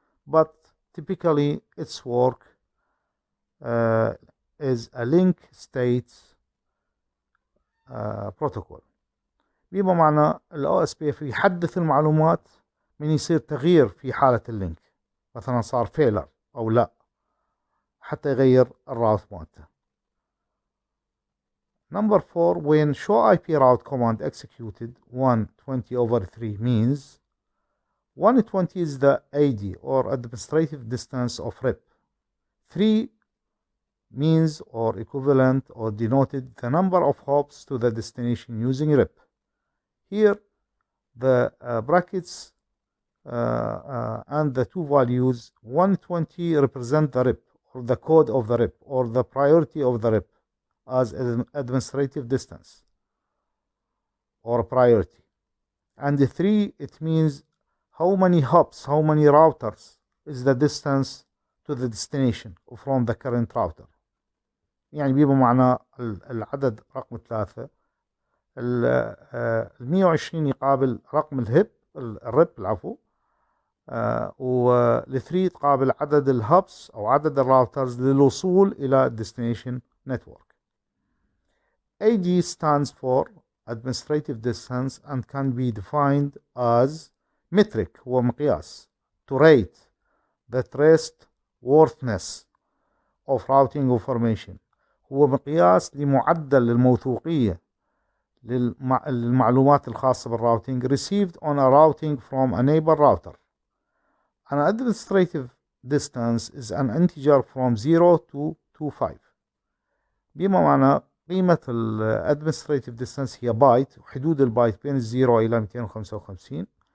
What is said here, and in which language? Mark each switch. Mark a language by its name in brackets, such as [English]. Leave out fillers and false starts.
[English] But typically, its work is a link state protocol. [Arabic] بما معنى الـ OSPF يحدث المعلومات من يصير تغيير في حالة اللينك. مثلا صار فيلر او لا حتى يغير الراوت مالته. [English] Number 4, when show IP route command executed 120 over 3 means 120 is the AD or administrative distance of RIP. 3 means or equivalent or denoted the number of hops to the destination using RIP. Here the brackets and the two values 120 represent the RIP or the code of the RIP or the priority of the RIP as an administrative distance or priority, and the 3 it means how many hops, how many routers is the distance to the destination from the current router. [Arabic] يعني بمعنى العدد رقم 3 ال 120 يقابل رقم الهب الرب العفو والثري تقابل عدد الهبس أو عدد الراوترز للوصول إلى [English] destination network. AD stands for administrative distance and can be defined as metric, [Arabic] هو مقياس, [English] to rate the trustworthiness of routing information, [Arabic] هو مقياس لمعدل الموثوقية للمعلومات الخاصة بالراوتينج [English] received on a routing from a neighbor router. An administrative distance is an integer from 0 to 25. [Arabic] بما معنى قيمة الـ administrative distance هي بايت, وحدود البايت بين 0 إلى 255.